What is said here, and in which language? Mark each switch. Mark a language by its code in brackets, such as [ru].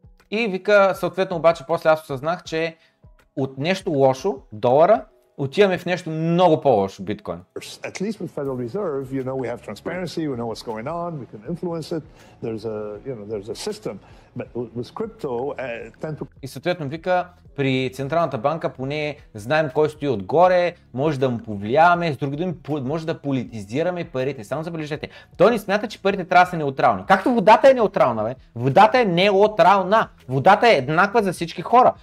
[bg] И вика, съответно обаче, после аз осъзнах, че от нещо лошо, долара, отиваме в нещо много по-лошо, биткоин. [en] At least with Federal Reserve, you know, we have transparency, we know what's going on, we can influence it. There's a system. But with crypto, [bg] И съответно вика, при Централната банка поне знаем кой стои отгоре, може да му повлияваме, с други думи, може да политизираме парите. Само забележете, той не смята, че парите трябва да са неутрални. Както водата е неутрална, бе? Водата е неутрална. Водата е еднаква за всички хора.